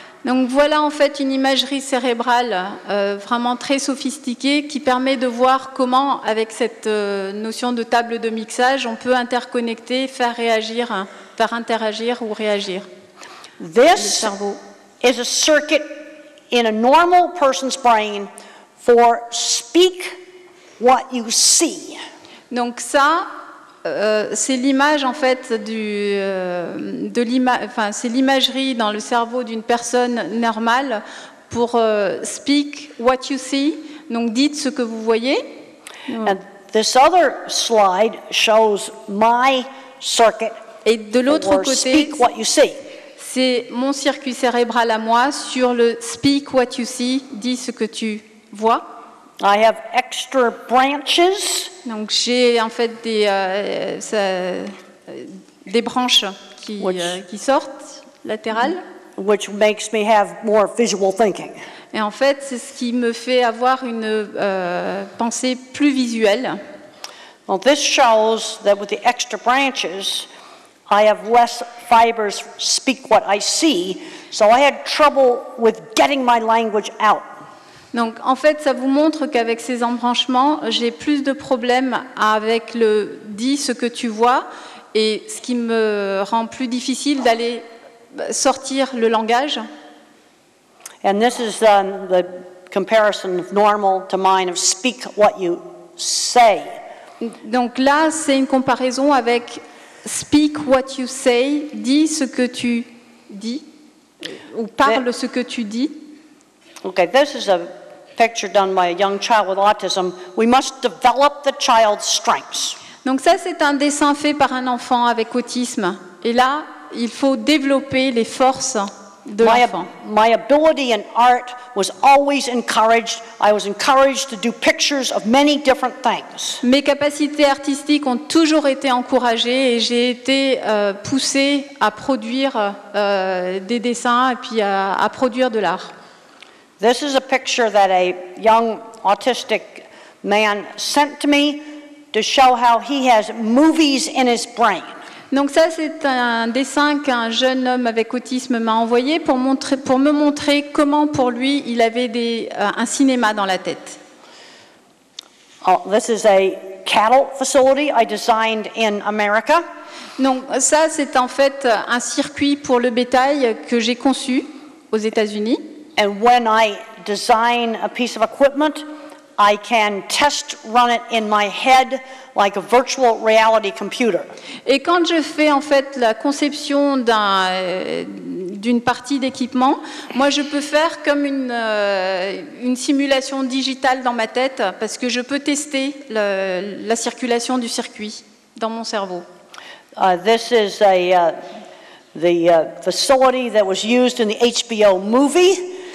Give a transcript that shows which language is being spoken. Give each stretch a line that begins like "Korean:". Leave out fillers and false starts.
French: Donc voilà en fait une imagerie cérébrale vraiment très sophistiquée qui permet de voir comment, avec cette notion de table de mixage, on peut interconnecter, faire interagir ou réagir.
English: This is a circuit in a normal person's brain for speak what you see.
French: Donc ça. C'est l'image en fait c'est l'imagerie dans le cerveau d'une personne normale pour
English: speak what you see.
French: Donc dites ce que vous voyez.
English: And this other slide shows my circuit.
French: Et de l'autre côté, c'est mon circuit cérébral à moi sur le
English: speak what you see.
French: Dis ce que tu vois.
English: I have extra branches.
French: Donc j'ai en fait des branches qui sortent latérales.
English: which makes me have more visual thinking.
French: Et en fait, c'est ce qui me fait avoir une pensée plus visuelle.
English: Well, this shows that with the extra branches, I have less fibers speak what I see, so I had trouble with getting my language out.
French: Donc, en fait, ça vous montre qu'avec ces embranchements, j'ai plus de problèmes avec le « dit ce que tu vois » et ce qui me rend plus difficile d'aller sortir le langage.
English: And this is the comparison of normal to mine of speak what you say.
French: Donc là, c'est une comparaison avec
English: speak what you say,
French: dis ce que tu dis, ou parle ce que tu dis.
English: Okay, this is a picture done by a young child with autism. We must develop the child's strengths.
French: Donc ça, c'est un dessin fait par un enfant avec autisme. Et là, il faut développer les forces de l'enfant.
English: My ability in art was always encouraged. I was encouraged to do pictures of many different things.
French: Mes capacités artistiques ont toujours été encouragées et j'ai été poussée à produire des dessins et puis à produire de l'art.
English: This is a picture that a young autistic man sent to me to show how he has movies in his brain.
French: Donc ça, c'est un dessin qu'un jeune homme avec autisme m'a envoyé pour me montrer comment, pour lui, il avait un cinéma dans la tête.
English: Oh, this is a cattle facility I designed in America.
French: Donc ça, c'est en fait un circuit pour le bétail que j'ai conçu aux États-Unis.
English: And when I design a piece of equipment, I can test run it in my head like a virtual reality computer.
French: Et quand je fais en fait la conception d'une partie d'équipement, moi je peux faire comme une simulation digitale dans ma tête parce que je peux tester la circulation du circuit dans mon cerveau.
English: This is the facility that was used in the HBO movie.